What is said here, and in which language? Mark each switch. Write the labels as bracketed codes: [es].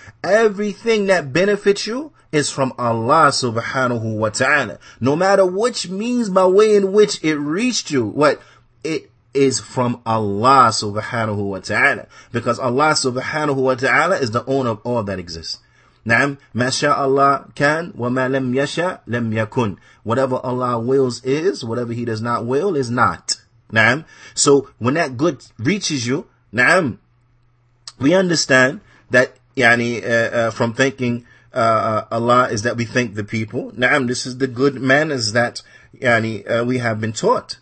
[en] Everything that benefits you is from Allah subhanahu wa ta'ala. No matter which means by way in which it reached you, what? It is from Allah subhanahu wa ta'ala. Because Allah subhanahu wa ta'ala is the owner of all that exists. [ar] نعم, ما شاء الله كان وما لم يشاء لم يكن. [en] Whatever Allah wills is, whatever He does not will is not. نعم, so when that good reaches you, نعم, we understand that from thanking Allah is that we thank the people. Na'am, this is the good manners that we have been taught.